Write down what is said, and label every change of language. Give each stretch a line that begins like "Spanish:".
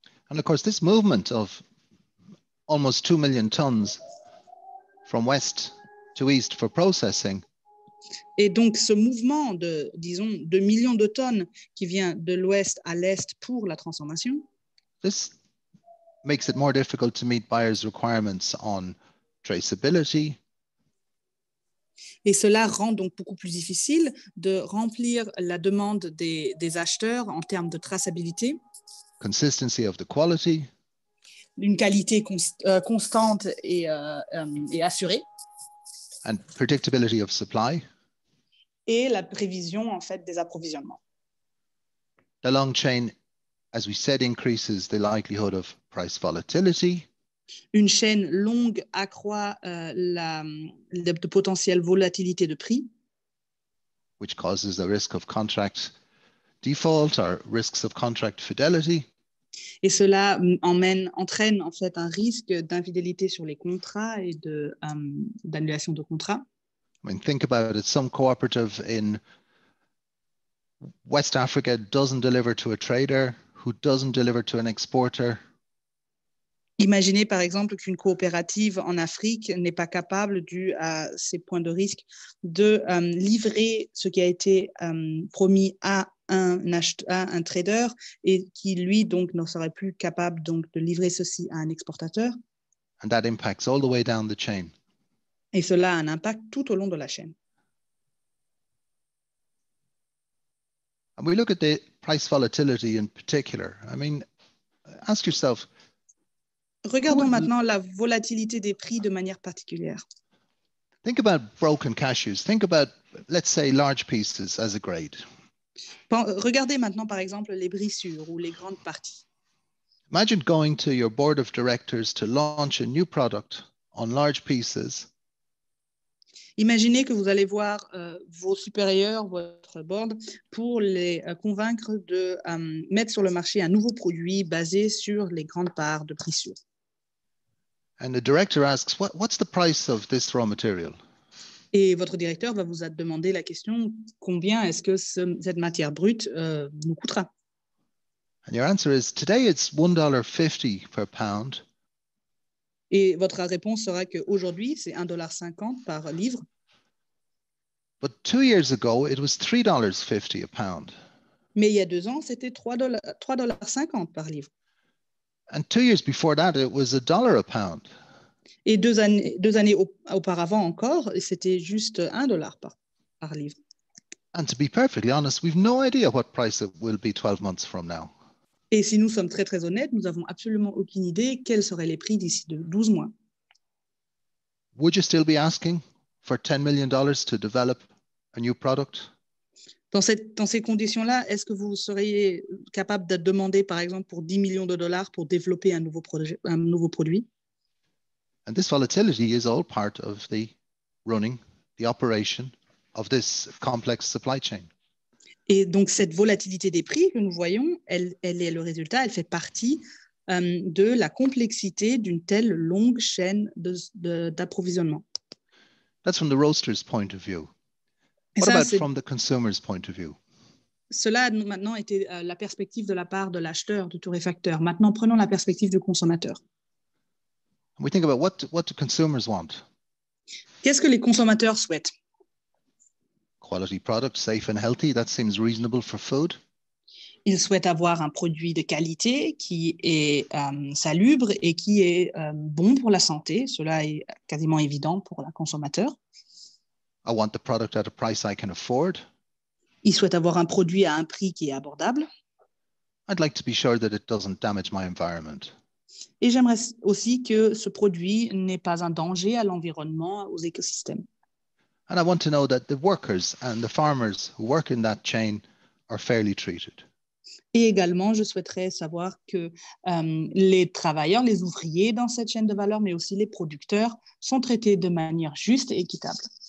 English: And of course, this movement of almost 2 million tons from west to east for processing.
French: Et donc ce mouvement de, disons, 2 millions de tonnes qui vient de l'ouest à l'est pour la transformation.
English: This makes it more difficult to meet buyers' requirements on traceability.
French: Et cela rend donc beaucoup plus difficile de remplir la demande des acheteurs en termes de traçabilité.
English: Consistency of the quality.
French: Une qualité constante et assurée.
English: And predictability of supply.
French: Et la prévision, en fait, des approvisionnements.
English: The long chain, as we said, increases the likelihood of price volatility.
French: Une chaîne longue accroît le potentiel volatilité de prix.
English: Which causes the risk of contract default or risks of contract fidelity.
French: Et cela entraîne en fait un risque d'infidélité sur les contrats et d'annulation de contrats.
English: I mean, think about it. Some cooperative in West Africa doesn't deliver to a trader who doesn't deliver to an exporter.
French: Imaginez, par exemple, qu'une coopérative en Afrique n'est pas capable, dû à ses points de risque, de livrer ce qui a été promis à un trader et qui, lui, donc, ne serait plus capable donc, de livrer ceci à un exportateur.
English: And that impacts all the way down the chain.
French: Et cela a un impact tout au long de la chaîne.
English: And we look at the price volatility in particular. I mean, ask yourself...
French: Regardons maintenant la volatilité des prix de manière particulière.
English: Think about broken cashews. Think about, let's say, large pieces as a grade.
French: Regardez maintenant, par exemple, les brisures ou les grandes parties.
English: Imagine going to your board of directors to launch a new product on large pieces.
French: Imaginez que vous allez voir vos supérieurs, votre board, pour les convaincre de mettre sur le marché un nouveau produit basé sur les grandes parts de brisures.
English: And the director asks, what's the price of this raw material?
French: Et votre directeur va vous demander la question, combien est-ce que cette matière brute nous coûtera?
English: And your answer is, today it's $1.50 per pound.
French: Et votre réponse sera qu'aujourd'hui, c'est $1.50 par livre.
English: But 2 years ago, it was $3.50 a pound.
French: Mais il y a 2 ans, c'était $3.50 par livre.
English: And 2 years before that, it was $1 a pound.
French: Et deux années auparavant encore, c'était juste $1 par livre.
English: And to be perfectly honest, we've no idea what price it will be 12 months from now.
French: Et si nous sommes très très honnêtes, nous avons absolument aucune idée quels seraient les prix d'ici de 12 mois.
English: Would you still be asking for $10 million to develop a new product?
French: Dans ces conditions-là, est-ce que vous seriez capable de demander, par exemple, pour $10 million pour développer un nouveau produit?
English: And this volatility is all part of the running, the operation of this complex supply chain.
French: Et donc, cette volatilité des prix que nous voyons, elle est le résultat, elle fait partie de la complexité d'une telle longue chaîne d'approvisionnement.
English: That's from the roaster's point of view. From the consumer's point of view?
French: Cela a maintenant été la perspective de la part de l'acheteur, du torréfacteur. Maintenant, prenons la perspective du consommateur.
English: We think about what do consumers want?
French: Qu'est-ce que les consommateurs souhaitent?
English: Quality product, safe and healthy, that seems reasonable for food.
French: Ils souhaitent avoir un produit de qualité qui est salubre et qui est bon pour la santé. Cela est quasiment évident pour le consommateur.
English: I want the product at a price I can afford.
French: Ils souhaitent avoir un produit à un prix qui est abordable.
English: I'd like to be sure that it doesn't damage my environment.
French: Et j'aimerais aussi que ce produit n'ait pas un danger à l'environnement, aux écosystèmes.
English: And I want to know that the workers and the farmers who work in that chain are fairly treated.
French: Et également, je souhaiterais savoir que les travailleurs, les ouvriers dans cette chaîne de valeur, mais aussi les producteurs, sont traités de manière juste et équitable.